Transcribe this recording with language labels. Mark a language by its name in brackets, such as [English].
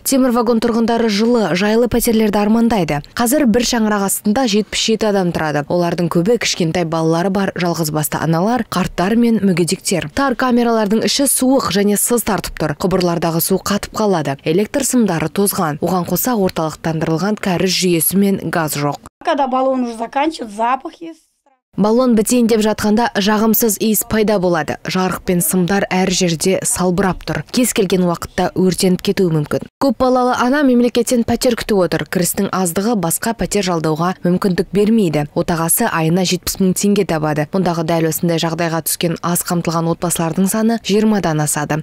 [Kazakh] Темір вагон тұрғындары жылы жайлы пәтерлерді армандайды. Қазір бір шаңырақ астында 77 адам тұрады. Олардың көбі кішкентай балалары бар жалғызбасты аналар, қарттар мен мүгедектер. Тар камералардың іші суық және сыз тартып тұр. Құбырлардағы су қатып қалады. Электр сымдары тозған. Оған қоса орталықтандырылған кәріз жүйесі мен газ жоқ. [Russian] Когда баллон уже заканчивается, запах есть. [Kazakh] Баллон бітейін деп жатқанда жағымсыз иіс пайда болады. Жарық пен сымдар әр жерде салбырап тұр. Кез келген уақытта өртеніп кетуі мүмкін. Көп балалы ана мемлекеттен пәтер күтіп отыр. Кірістің аздығы басқа пәтер жалдауға мүмкіндік бермейді. Отағасы айына 70 мың теңге табады. Мұндағы дәл осындай жағдайға түскен аз қамтылған отбасылардың саны 20-дан асады.